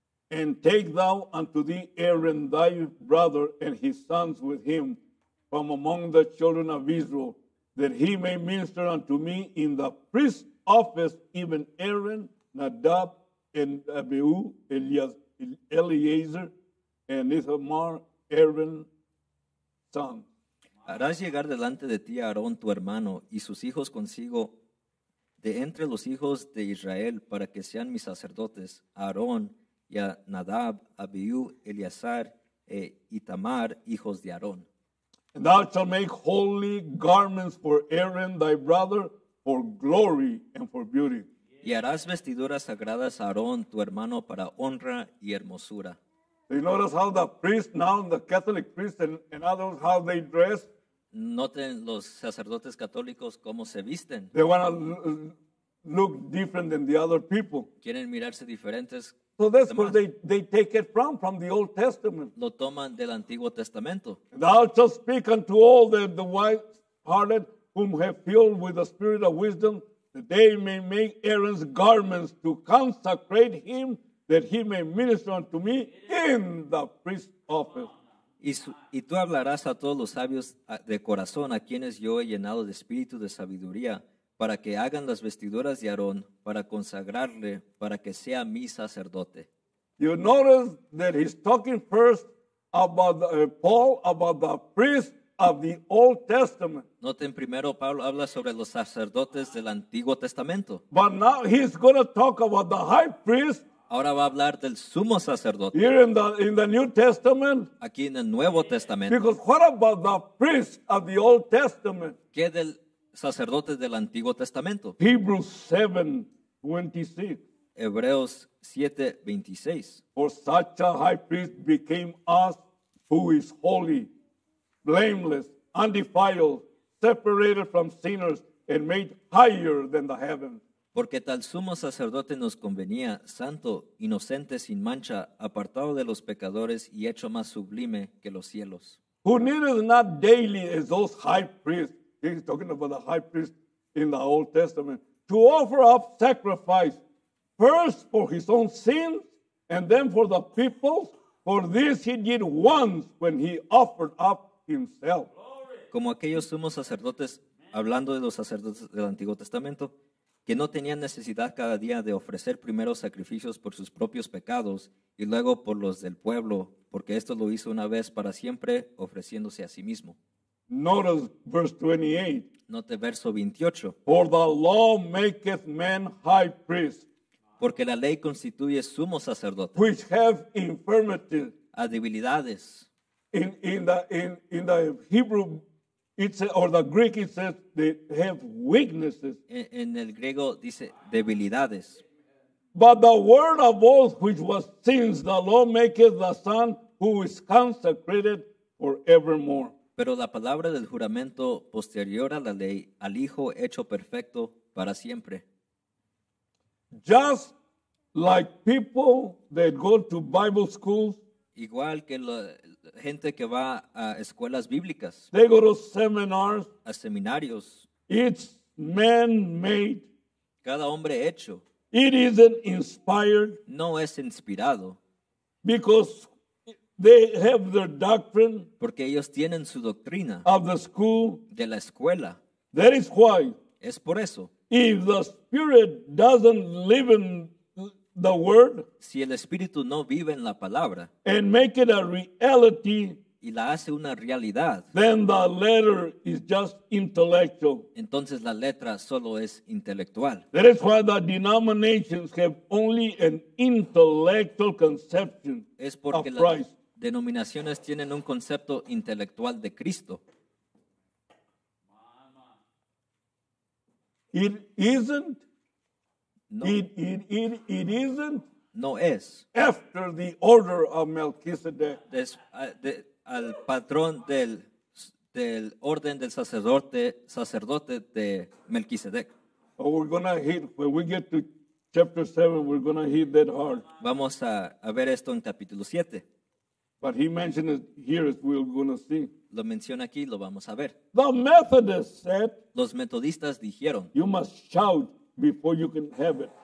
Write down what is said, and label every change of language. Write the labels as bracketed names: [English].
[English] And take thou unto thee Aaron thy brother and his sons with him from among the children of Israel, that he may minister unto me in the priest's office, even Aaron, Nadab, and Abihu, Eleazar, and Ithamar, Aaron's son. [Spanish] Harás llegar delante de ti a Aarón, tu hermano, y sus hijos consigo, de entre los hijos de Israel, para que sean mis sacerdotes, Aarón, y a Nadab, Abihu, Eleazar, e Ithamar, hijos de Aarón. [English] And thou shalt make holy garments for Aaron thy brother for glory and for beauty. [Spanish] Y harás vestiduras sagradas a Aarón tu hermano para honra y hermosura. [English] You notice how the priest now, the Catholic priest and others, how they dress. [Spanish] Noten los sacerdotes católicos cómo se visten. [English] They want to look different than the other people. [Spanish] Quieren mirarse diferentes. [English] So that's where they take it from the Old Testament. [Spanish] Lo toman del Antiguo Testamento. [English] Thou shalt speak unto all the wise hearted whom have filled with the spirit of wisdom, that they may make Aaron's garments to consecrate him, that he may minister unto me in the priest's office. [Spanish] Y tú hablarás a todos los sabios de corazón, a quienes yo he llenado de espíritu de sabiduría, para que hagan las vestiduras de Aarón, para consagrarle, para que sea mi sacerdote. [English] You notice that he's talking first about Paul, about the priest of the Old Testament. [Spanish] Noten primero, Pablo habla sobre los sacerdotes del Antiguo Testamento. [English] But now he's going to talk about the high priest. [Spanish] Ahora va a hablar del sumo sacerdote. [English] Here in the New Testament. [Spanish] Aquí en el Nuevo Testamento. [English] Because what about the priest of the Old Testament? [Spanish] ¿Qué del sacerdote del Antiguo Testamento? [English] Hebrews 7:26. [Spanish] Hebreos 7:26. [English] For such a high priest became us who is holy, blameless, undefiled, separated from sinners, and made higher than the heavens. [Spanish] Porque tal sumo sacerdote nos convenía, santo, inocente, sin mancha, apartado de los pecadores y hecho más sublime que los cielos. [English] Who needeth not daily as those high priests, he's talking about the high priest in the Old Testament, to offer up sacrifice, first for his own sins and then for the people's, for this he did once when he offered up himself. [Spanish] Como aquellos sumos sacerdotes, hablando de los sacerdotes del Antiguo Testamento, que no tenían necesidad cada día de ofrecer primero sacrificios por sus propios pecados y luego por los del pueblo, porque esto lo hizo una vez para siempre, ofreciéndose a sí mismo. [English] Notice verse 28. [Spanish] Note verso 28. [English] For the law maketh men high priests. [Spanish] Porque la ley constituye sumo sacerdote. [English] Which have infirmities. [Spanish] A debilidades. [English] In the Hebrew, or the Greek, it says they have weaknesses. [Spanish] En el griego dice debilidades. [English] But the word of oath, which was since the law maketh the son who is consecrated forevermore. [Spanish] Pero la palabra del juramento posterior a la ley, al Hijo hecho perfecto para siempre. [English] Just like people that go to Bible schools. [Spanish] Igual que la gente que va a escuelas bíblicas. [English] They go to seminars. [Spanish] A seminarios. [English] It's man-made. [Spanish] Cada hombre hecho. [English] It isn't inspired. [Spanish] No es inspirado. [English] Because they have their doctrine. [Spanish] Porque ellos tienen su doctrina. [English] Of the school. [Spanish] De la escuela. [English] That is why. [Spanish] Es por eso. [English] If the Spirit doesn't live in the Word, [Spanish] si el Espíritu no vive en la palabra, [English] and make it a reality, [Spanish] y la hace una realidad, [English] then the letter is just intellectual. [Spanish] Entonces la letra solo es intelectual. [English] That is why the denominations have only an intellectual conception [Spanish] es porque [English] of Christ. [Spanish] Las denominaciones tienen un concepto intelectual de Cristo. [English] It isn't. No. It isn't. [Spanish] No es. [English] After the order of Melchizedek. [Spanish] Al patrón del orden del sacerdote de Melquisedec. [English] Oh, we're gonna hit when we get to chapter 7, we're gonna hit that hard. [Spanish] Vamos a ver esto en capítulo 7. [English] But he mentioned it here as we're gonna see. [Spanish] Lo menciona aquí, lo vamos a ver. [English] The Methodist said, [Spanish] los metodistas dijeron, [English] you must shout before you can have it.